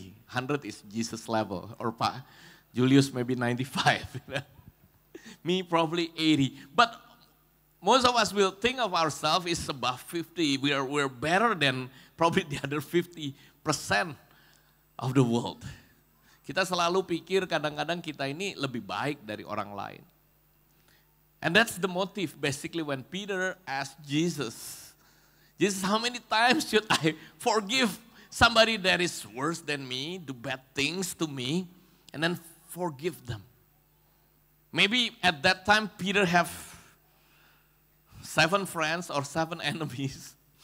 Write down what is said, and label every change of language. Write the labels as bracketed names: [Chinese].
[English] 100 is Jesus level. Or Julius maybe 95. Me probably 80. But most of us will think of ourselves is above 50. We're better than probably the other 50% of the world. [Indonesian] Kita selalu pikir kadang-kadang kita ini lebih baik dari orang lain. [English] And that's the motive basically when Peter asked Jesus, Jesus, how many times should I forgive somebody that is worse than me, do bad things to me, and then forgive them? Maybe at that time Peter have 7 friends or 7 enemies.